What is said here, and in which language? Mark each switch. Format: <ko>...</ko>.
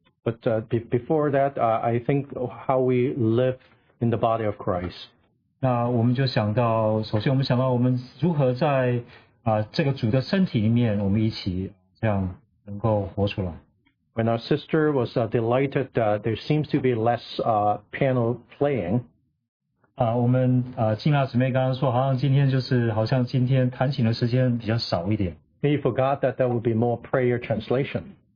<en>But before that, I think how we live in the body of Christ.</en> <zh>那我们就想到，首先我们想到我们如何在这个主的身体里面，我们一起这样能够活出来。</zh> <en>When our sister was delighted that there seems to be less piano playing.</en> <zh>我们金娜姊妹刚刚说，好像今天弹琴的时间比较少一点。</zh> <en>He forgot that there would be more prayer translation.</en>